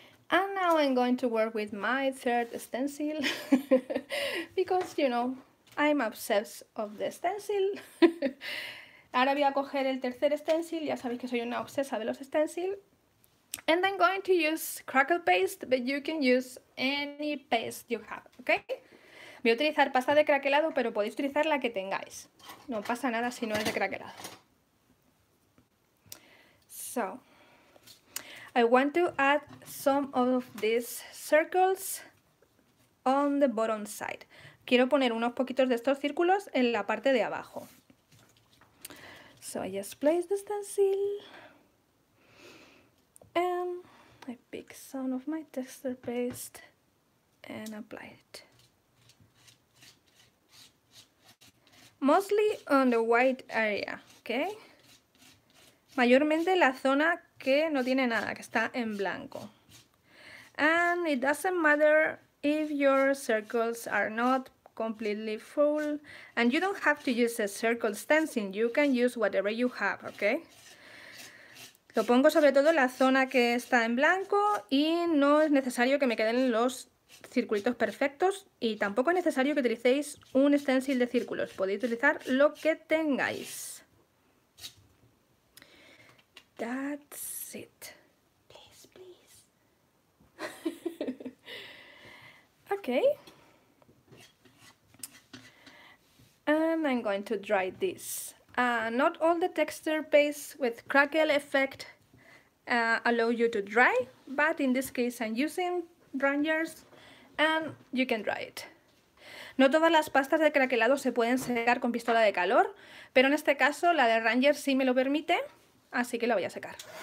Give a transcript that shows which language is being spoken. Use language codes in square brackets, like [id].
[en] I'm going to work with my third stencil because, you know, I'm obsessed of the stencil. [es] Ahora voy a coger el tercer stencil, ya sabéis que soy una obsesa de los stencil. [en] And I'm going to use crackle paste, but you can use any paste you have, okay? [es] Voy a utilizar pasta de craquelado, pero podéis utilizar la que tengáis. No pasa nada si no es de craquelado. [en] So, I want to add some of these circles on the bottom side. [es] Quiero poner unos poquitos de estos círculos en la parte de abajo. [en] So I just place the stencil. And I pick some of my texture paste and apply it. Mostly on the white area, okay? [es] Mayormente la zona que no tiene nada, que está en blanco. [en] And it doesn't matter if your circles are not completely full. And you don't have to use a circle stencil, you can use whatever you have, okay? [es] Lo pongo sobre todo en la zona que está en blanco y no es necesario que me queden los circulitos perfectos y tampoco es necesario que utilicéis un stencil de círculos, podéis utilizar lo que tengáis. [en] That's it. Please, please. Okay. And I'm going to dry this. Not all the texture paste with crackle effect allow you to dry, but in this case I'm using rangers and you can dry it. [es] No todas las pastas de craquelado se pueden secar con pistola de calor, pero en este caso la de rangers sí me lo permite, así que la voy a secar.